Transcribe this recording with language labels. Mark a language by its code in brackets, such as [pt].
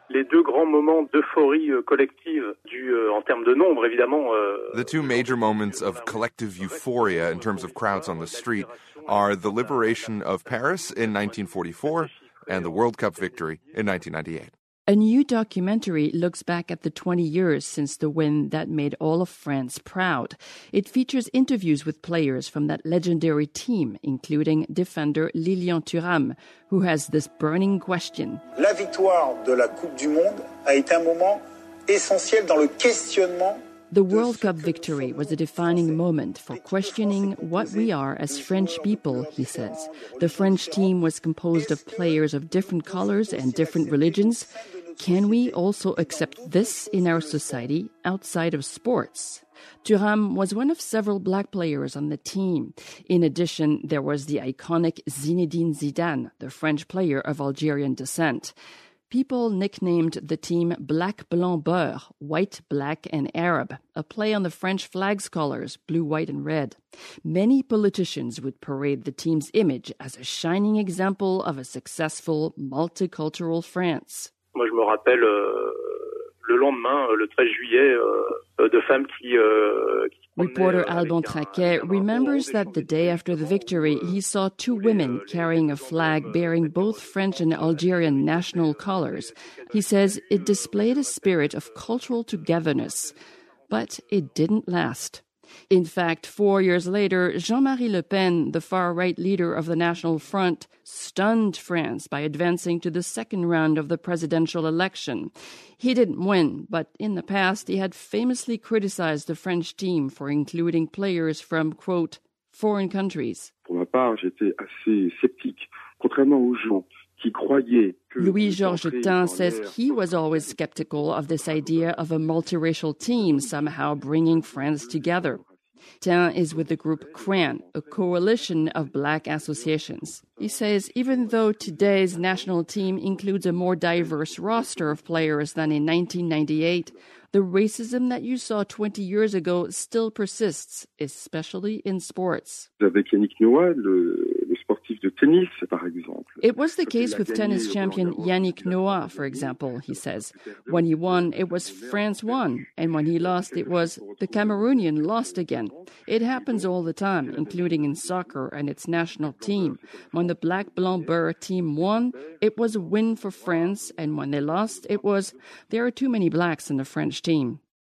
[en] The two major moments of collective euphoria in terms of crowds on the street are the liberation of Paris in 1944 and the World Cup victory in 1998. A new documentary looks back at the 20 years since the win that made all of France proud. It features interviews with players from that legendary team, including defender Lilian Thuram, who has this burning question. [fr] La victoire de la Coupe du Monde a été un moment essentiel dans le questionnement. [en] The World Cup victory was a defining moment for questioning what we are as French people, he says. The French team was composed of players of different colors and different religions. Can we also accept this in our society outside of sports? Thuram was one of several black players on the team. In addition, there was the iconic Zinedine Zidane, the French player of Algerian descent. People nicknamed the team Black, Blanc, Beurre, white, black, and Arab, a play on the French flag's colors, blue, white, and red. Many politicians would parade the team's image as a shining example of a successful, multicultural France. [fr] Moi, je me rappelle le lendemain, le 13 juillet, de femmes qui... [en] Reporter Alban Traquet remembers that the day after the victory, he saw two women carrying a flag bearing both French and Algerian national colors. He says it displayed a spirit of cultural togetherness, but it didn't last. In fact, 4 years later, Jean-Marie Le Pen, the far-right leader of the National Front, stunned France by advancing to the second round of the presidential election. He didn't win, but in the past, he had famously criticized the French team for including players from, quote, foreign countries. [fr] Pour ma part, j'étais assez sceptique, contrairement aux gens qui croyaient. [en] Louis-Georges Tin says he was always skeptical of this idea of a multiracial team somehow bringing France together. Tain is with the group CRAN, a coalition of black associations. He says even though today's national team includes a more diverse roster of players than in 1998, the racism that you saw 20 years ago still persists, especially in sports. [fr] Avec Yannick Noah, le sportif de tennis, par exemple. [en] It was the case with tennis champion Yannick Noah, for example, he says. When he won, it was France won, and when he lost, it was the Cameroonian lost again. It happens all the time, including in soccer and its national team. When the Black Blanc Beur team won, it was a win for France, and when they lost, it was, there are too many blacks in the French team.